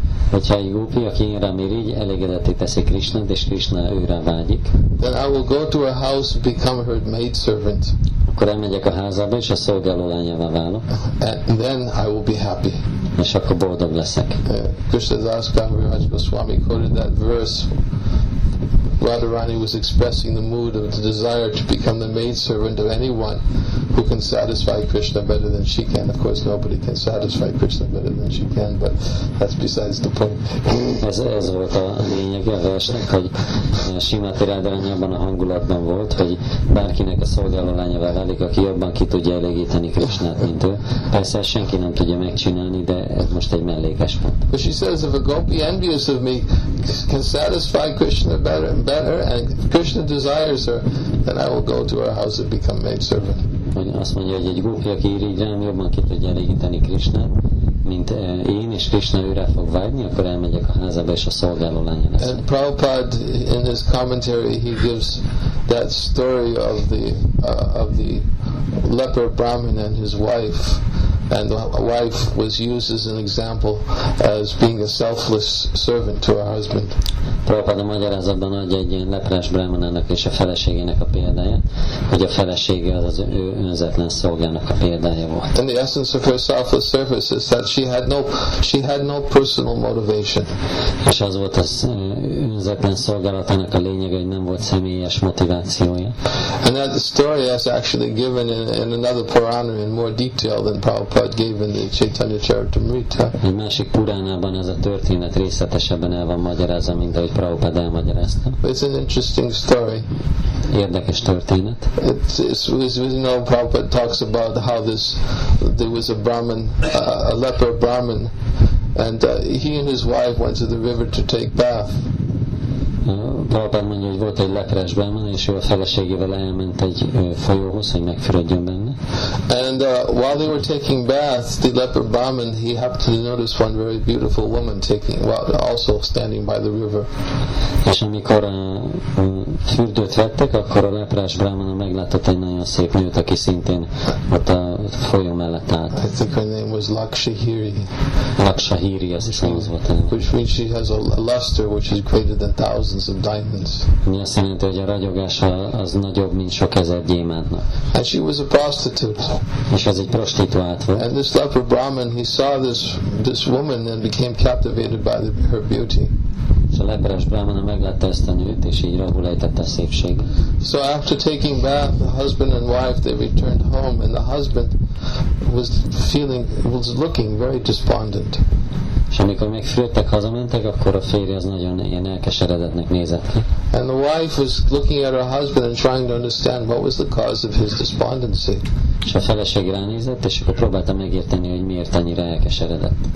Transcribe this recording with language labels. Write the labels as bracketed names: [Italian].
[Hungarian] Hogyha egy gópi, aki rám irigy, elégedetté teszi Krishnát, és Krishna őre vágyik. [English] Then I will go to her house and become her maid servant. [Hungarian] Akkor elmegyek a házába, és a szolgáló lányává válok. [English] And then I will be happy. [Hungarian] És akkor boldog leszek. [English] Krishna Das Kaviraj Goswami quoted that verse. Radharani was expressing the mood of the desire to become the maidservant of anyone who can satisfy Krishna better than she can. Of course, nobody can satisfy Krishna better than she can, but that's besides the point. [Hungarian] Ez volt a lényeg a versnek, hogy Srimati Radharani abban a hangulatban volt, hogy bárkinek a szolgáló lányává válik, aki jobban ki tudja elégíteni Krishnát, mint ő. Persze senki nem tudja megcsinálni, de ez most egy mellékes pont. [English] But she says, if a gopi envious of me can satisfy Krishna better and Krishna desires her, then I will go to her house and become maid servant. [Hungarian] Azt mondja, hogy egy gópi, aki irigy rám, jobban ki tudja elégíteni Krishnát, mint én, és Krishna őre fog vágyni, akkor elmegyek a házába, és a szolgáló lánya lesz. [English] And Prabhupada, in his commentary, he gives that story of the leper Brahmin and his wife. And the wife was used as an example as being a selfless servant to her husband. [Hungarian] Prabhupada magyarázatban adja egy ilyen leprás brahmanának és a feleségének a példáját, hogy a felesége az ő önzetlen szolgának a példája volt. [English] And the essence of her selfless service is that she had no personal motivation. [Hungarian] És az volt az önzetlen szolgálatának a lényege, hogy nem volt személyes motivációja. [English] And that story is actually given in another Purana in more detail than Prabhupada gave in the Chaitanya Charitamrita. [Hungarian] Egy másik Puránában ez a történet részletesebben el van magyarázva, mint ahogy Prabhupada elmagyarázta. [English] It's an interesting story. [Hungarian] Érdekes történet. [English] It's Prabhupada talks about how there was a Brahmin, a leper Brahmin, and he and his wife went to the river to take bath. [Hungarian] Prabhupada mondja, hogy volt egy lepres Brahmin, és ő a feleségével elment egy folyóhoz, hogy megfürödjön benne. [English] And while they were taking baths, the leper Brahmin, he happened to notice one very beautiful woman taking, well, also standing by the river. [Hungarian] És amikor fürdőt vettek, akkor a leprás Brahmin meglátott egy nagyon szép nőt, aki szintén ott a folyó mellett állt. [English] I think her name was Lakshahiri. [Hungarian] Lakshahiri, az is az volt. [English] Which means she has a luster which is greater than thousands of diamonds. [Hungarian] Mi azt jelenti, hogy a ragyogása az nagyobb, mint sok ezer gyémántnak. [English] And she was a prostitute. [Hungarian] És az egy prostituált volt. [English] And this leper Brahmin, he saw this woman and became captivated by her beauty. [Hungarian] A leperes brámana meglátta ezt a nőt, és így rabul ejtette a szépség. [English] So after taking bath, the husband and wife, they returned home, and the husband was feeling, was looking very despondent. [Hungarian] És amikor megfürdtek, hazamentek, akkor a férje az nagyon ilyen elkeseredetnek nézett ki. [English] And the wife was looking at her husband and trying to understand what was the cause of his despondency. [Hungarian] És a feleség ránézett, és akkor próbálta megérteni, hogy miért annyira elkeseredett.